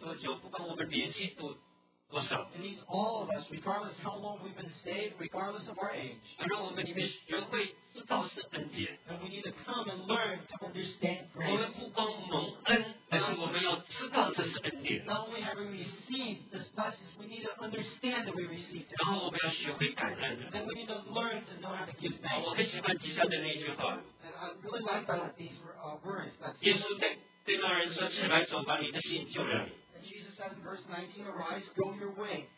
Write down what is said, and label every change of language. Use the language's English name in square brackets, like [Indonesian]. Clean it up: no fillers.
[Chinese] 希望我们在座的每一个弟兄姊妹，不管我们蒙恩多久，不管我们年纪多少。 [English] It needs all of us, regardless how long we've been saved, regardless of our age. [Chinese] 让我们里面学会知道是恩典。 [English] And we need to come and learn to understand grace. [Chinese] 我们不光蒙恩。但是我们要知道这是恩典。 [English] Not only have we received this blessing, we need to understand that we received it. [Chinese] 然后我们要学会感恩。 [English] Then we need to learn to know how to give thanks. [Chinese] 我很喜欢底下的那句话。 [English] And I really like that, these words. [Chinese] 耶稣对那人说：“起来，走吧，你的信救了你。” [English] And Jesus says in verse 19, "Arise, go your way.